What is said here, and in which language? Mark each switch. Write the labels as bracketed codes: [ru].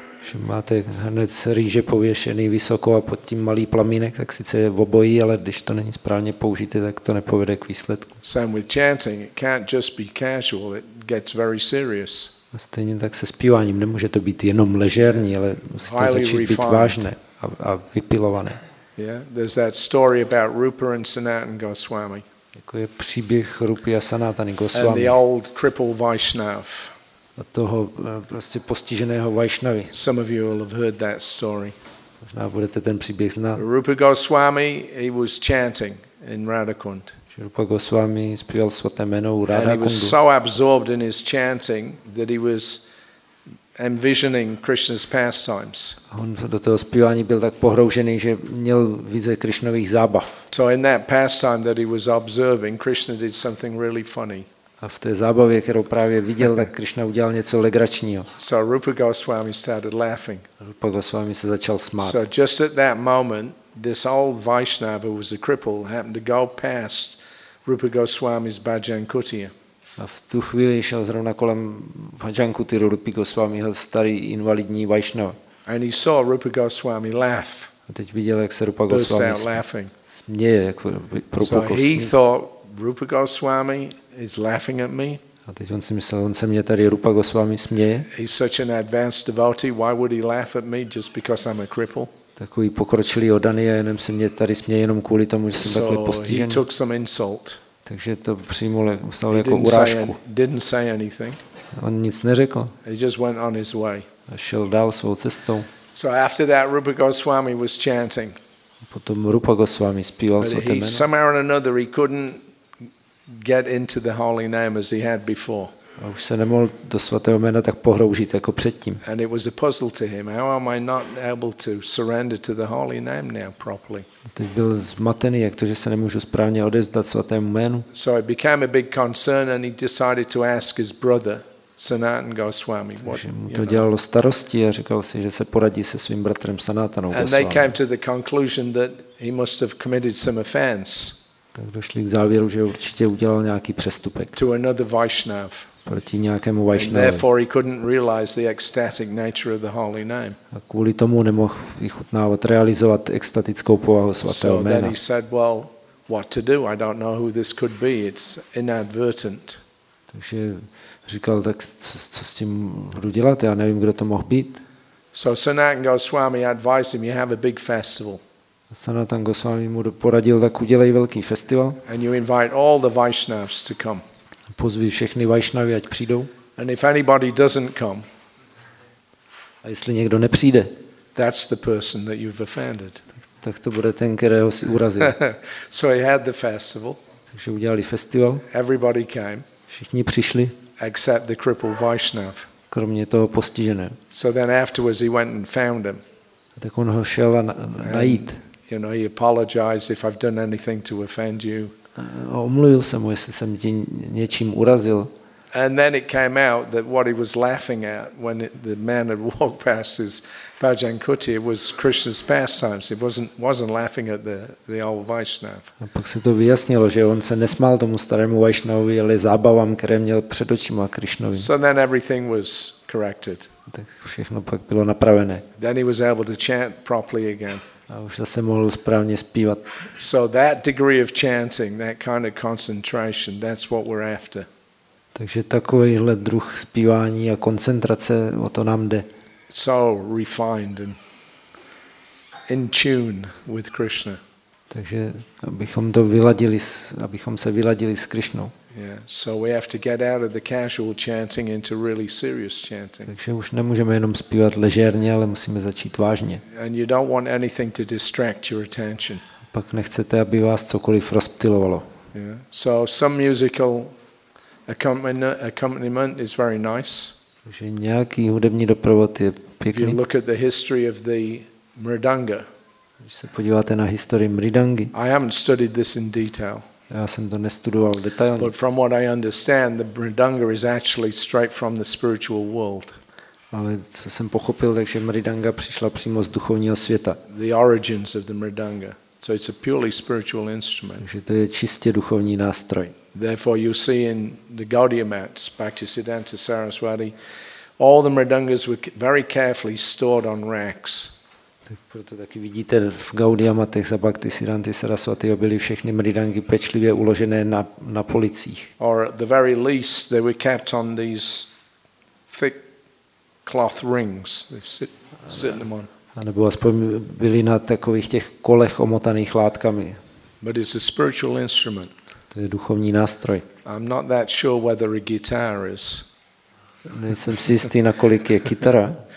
[cs] Že máte hned rýže pověšený vysoko a pod tím malý plamínek, tak sice je v obojí, ale když to není správně použité, tak to nepovede k výsledku. [en] Same with chanting, it can't just be casual, it gets very serious. [cs] A stejně tak se zpíváním, nemůže to být jenom ležérní, ale musí to začít být vážné a vypilované. [en] Yeah, there's that story about Rupa and Sanatan Goswami. [cs] Jako je příběh Rupy a Sanatany Goswami. [en] And the old crippled Vaishnav. [cs] A toho prostě postiženého Vaishnavy. [en] Some of you will have heard that story. [cs] Možná budete ten příběh znát. [en] Rupa Goswami, he was chanting in Radhakund. [cs] Rupa Goswami zpíval svaté jméno u Radhakundu. [en] And he was so absorbed in his chanting that he was envisioning Krishna's pastimes. [cs] On do toho zpívání byl tak pohroužený, že měl vize Krishnových zábav. [en] So in that pastime that he was observing, Krishna did something really funny. [cs] A v té zábavě, kterou právě viděl, tak Krishna udělal něco legračního. [en] So Rupa Goswami started laughing. [cs] Rupa Goswami se začal smát. [en] So just at that moment, this old Vaishnava who was a cripple happened to go past Rupa Goswami's bhajan kutiya. [cs] A v tu chvíli šel zrovna kolem bhajan kutiru Rupi Goswamiho starý invalidní Vaishnava. [en] And he saw Rupa Goswami laugh. [cs] A teď viděl, jak se Rupa Goswami směje, jak propukl smích. [en] So he thought Rupa Goswami is laughing at me. [cs] A teď on si myslel, on se mě tady Rupa Goswami směje. [en] He's such an advanced devotee, why would he laugh at me just because I'm a cripple? [cs] Takový pokročilý odaný a jenom se mě tady směje jenom kvůli tomu, že jsem takhle postižený. [en] So he took some insult. [cs] Takže to přijmul, vzal jako urážku. [en] Didn't say anything. [cs] On nic neřekl. [en] He just went on his way. [cs] A šel dál svou cestou. [en] So after that Rupa Goswami was chanting. [cs] Potom Rupa Goswami zpíval svaté jméno. [en] Somehow or another he couldn't get into the holy name as he had before. [cs] A už se nemohl do svatého jména tak pohroužit jako předtím. [en] And it was a puzzle to him. How am I not able to surrender to the holy name now properly? [cs] Teď byl zmatený, jak to, že se nemůžu správně odevzdat svatému jménu. [en] So it became a big concern and he decided to ask his brother Sanatan Goswami. [cs] Takže mu to dělalo starosti a říkal si, že se poradí se svým bratrem Sanatanou Goswami. [en] And they came to the conclusion that he must have committed some offense. [cs] Tak došli k závěru, že určitě udělal nějaký přestupek. [en] To another Vaishnav. [cs] Proti nějakému Vaishnavovi. [en] Therefore he couldn't realize the ecstatic nature of the holy name. [cs] A kvůli tomu nemohl vychutnávat, realizovat extatickou povahu svatého jména. [en] So then he said, well, what to do. I don't know who this could be. It's inadvertent. [cs] Takže říkal, tak co s tím budu dělat? Já nevím, kdo to mohl být. [en] So Sanatan Goswami advised him, you have a big festival. [cs] Sanatan Goswami mu poradil, tak udělej velký festival. [en] And you invite all the Vaishnavs to come. [cs] Pozvi všechny Vaishnavy, ať přijdou. [en] And if anybody doesn't come, [cs] a jestli někdo nepřijde, [en] that's the person that you've offended. [cs] Tak to bude ten, kterého si urazil. [en] So he had the festival. [cs] Takže udělali festival. [en] Everybody came. [cs] Všichni přišli. [en] Except the crippled Vaishnav. [cs] Kromě toho postiženého. [en] So then afterwards he went and found him. [cs] Tak on ho šel najít. [en] You know, he apologized if I've done anything to offend you. [cs] Omluvil se mu, jestli jsem tě něčím urazil. [en] And then it came out that what he was laughing at when the man had walked past his bhajan kuti was Krishna's pastimes. He wasn't laughing at the old Vaishnav. [cs] A pak se to vyjasnilo, že on se nesmál tomu starému Vaishnavovi, ale zábavám, které měl před očima Krishnovi. [en] So then everything was corrected. [cs] Tak všechno pak bylo napravené. [en] Then he was able to chant properly again. [cs] A už zase mohl správně zpívat. [en] So that degree of chanting, that kind of concentration, that's what we're after. [cs] Takže takovýhle druh zpívání a koncentrace, o to nám jde. [en] So refined and in tune with Krishna. [cs] Takže abychom to vyladili, abychom se vyladili s Krishnou. [en] Yeah, so we have to get out of the casual chanting into really serious chanting. [cs] Takže už nemůžeme jenom zpívat ležérně, ale musíme začít vážně. [en] And you don't want anything to distract your attention. [cs] Pak nechcete, aby vás cokoliv rozptylovalo. [en] Yeah. So some musical accompaniment is very nice. [cs] Takže nějaký hudební doprovod je pěkný. [en] If you look at the history of the mridanga. [cs] Když se podíváte na historii mridangy. [en] I haven't studied this in detail. [cs] Já jsem to nestudoval detailně. [en] But from what I understand, the mridanga is actually straight from the spiritual world. [cs] Ale co jsem pochopil, takže mridanga přišla přímo z duchovního světa. [en] The origins of the mridanga. So it's a purely spiritual instrument. [cs] Takže to je čistě duchovní nástroj. [en] Therefore, you see in the Gaudiya Mats, Bhaktisiddhanta Saraswati, all the mridangas were very carefully stored on racks. [cs] Tak proto taky vidíte v Gaudiya Matech za Bhaktisiddhanta Saraswati byly všechny mridangy pečlivě uložené na policích. [en] Or at the very least, they were kept on these thick cloth rings. They sit them on. [cs] A nebo aspoň byly na takových těch kolech omotaných látkami. [en] But it's a spiritual instrument. [cs] To je duchovní nástroj. [en] I'm not that sure whether a guitar is. [cs] Nejsem si jistý, nakolik je kytara.